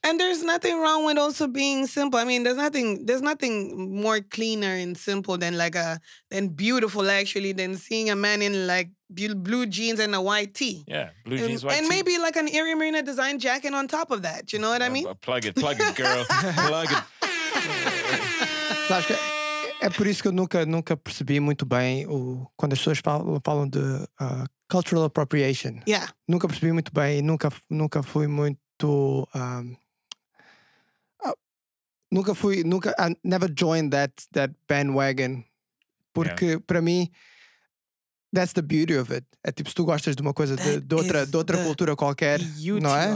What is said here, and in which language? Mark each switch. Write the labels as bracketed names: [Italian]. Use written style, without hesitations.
[English] And there's nothing wrong with also being simple. I mean, there's nothing more cleaner and simple than beautiful, actually, than seeing a man in like blue jeans and a white tee. Yeah, blue jeans, white tee. And maybe like an Iria Marina design jacket on top of that. You know what I mean? Plug it, girl. Plug it. Sasha. [Portuguese] É por isso que eu nunca percebi muito bem quando as pessoas falam de cultural appropriation. [English] Yeah. [Portuguese] Nunca percebi muito bem e nunca fui muito... [English] I never joined that bandwagon. [Portuguese] Porque para mim, [English] that's the beauty of it. [Portuguese] É tipo, se tu gostas de uma coisa de outra cultura qualquer, não é?